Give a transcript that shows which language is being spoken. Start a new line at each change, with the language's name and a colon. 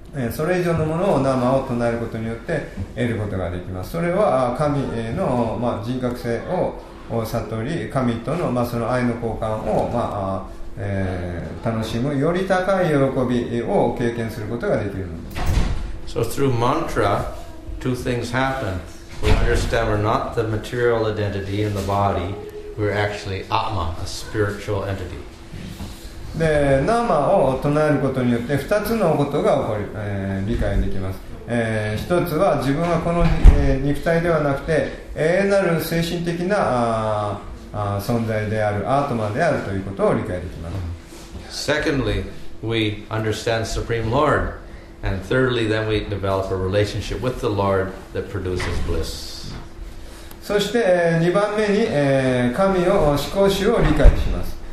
Japanese: それ以上のものをナーマを唱えることによって得ることができます。それは神の、まあ、人格性を悟り、神との、まあ、その愛の交換を、まあ楽しむより高い喜びを経験することができるのです。
English: So through mantra, two things happen. We understand we're not the material identity in the body. We're actually atma, a spiritual entity.
Japanese: で、ナーマを唱えることによって二つのことが起こり、理解できます。一つは自分はこの、肉体ではなくて永遠なる精神的な存在であるアートマであるということを理解できます。
English: Secondly, we understand Supreme Lord. And thirdly, then we develop a relationship with the Lord that produces bliss.
Japanese: そして、2番目に、神を思考主を理解します。